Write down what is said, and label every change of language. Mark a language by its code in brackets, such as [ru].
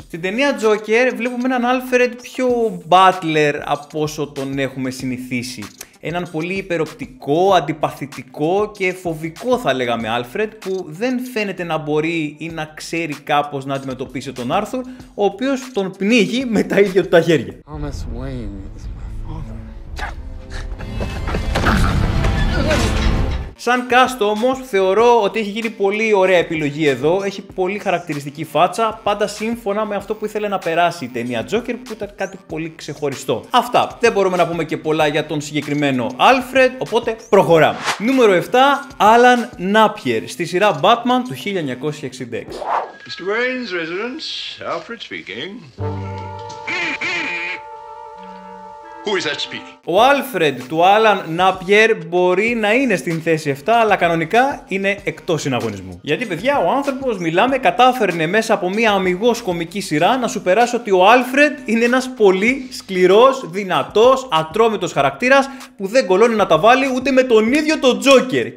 [el] Στην ταινία Joker βλέπουμε έναν Alfred πιο Butler από όσο τον έχουμε συνηθίσει. Έναν πολύ υπεροπτικό, αντιπαθητικό και φοβικό θα λέγαμε Alfred, που δεν φαίνεται να μπορεί ή να ξέρει κάπως να αντιμετωπίσει τον Arthur, ο οποίος τον πνίγει με τα ίδια του τα χέρια. [en] Thomas Wayne is my father. [el] Σαν cast όμως, θεωρώ ότι έχει γίνει πολύ ωραία επιλογή εδώ, έχει πολύ χαρακτηριστική φάτσα, πάντα σύμφωνα με αυτό που ήθελε να περάσει η ταινία Joker, που ήταν κάτι πολύ ξεχωριστό. Αυτά, δεν μπορούμε να πούμε και πολλά για τον συγκεκριμένο Alfred, οπότε προχωράμε. Νούμερο 7, Alan Napier, στη σειρά Batman του 1966. Mr. [en] Wayne's residence, Alfred speaking. Who is that speaking? [el] Ο Alfred του Alan Napier μπορεί να είναι στην θέση 7, αλλά κανονικά είναι εκτός συναγωνισμού. Γιατί, παιδιά, ο άνθρωπος, μιλάμε, κατάφερνε μέσα από μια αμιγώς κομική σειρά να σου περάσει ότι ο Alfred είναι ένας πολύ σκληρός, δυνατός, ατρόμητος χαρακτήρας που δεν κολώνει να τα βάλει ούτε με τον ίδιο τον Τζόκερ.